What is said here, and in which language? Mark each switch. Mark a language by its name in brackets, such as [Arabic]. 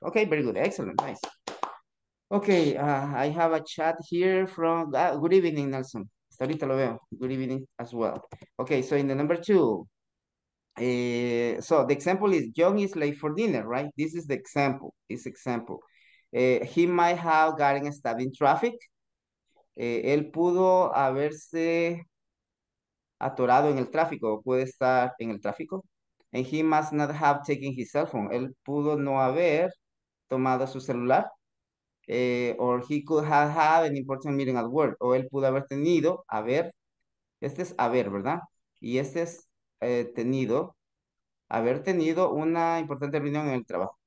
[English] Okay, very good, excellent, nice. Okay, I have a chat here from, good evening, Nelson. [Spanish] Hasta ahorita lo veo, [English] good evening as well. Okay, so in the number two, so the example is John is late for dinner, right? This is the example. This example, he might have gotten stuck in traffic. [Spanish] Él pudo haberse atorado en el tráfico, puede estar en el tráfico. [English] And he must not have taken his cell phone. [Spanish] Él pudo no haber tomado su celular. [English] Or he could have had an important meeting at work. [Spanish] O él pudo haber tenido, haber. Este es haber, ¿verdad? Y este es tenido, haber tenido una importante reunión en el trabajo.